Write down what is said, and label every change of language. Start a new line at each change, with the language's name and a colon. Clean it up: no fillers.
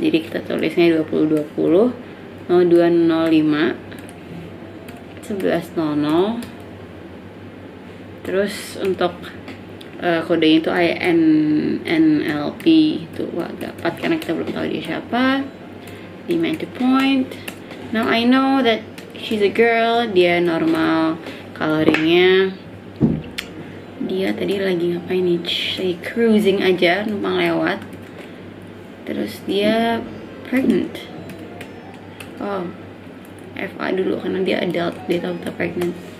Indonesian: Jadi kita tulisnya 20:20 02:05 11:00. Terus untuk kodenya itu INNLP itu agak pat karena kita belum tahu dia siapa.
English: The Manta Point. Now I know that she's a girl.
Indonesian: Dia normal coloringnya. Dia tadi lagi ngapain nih? Lagi cruising aja, numpang lewat. Terus dia pregnant. Oh, FA dulu karena dia adult, dia tahu pregnant.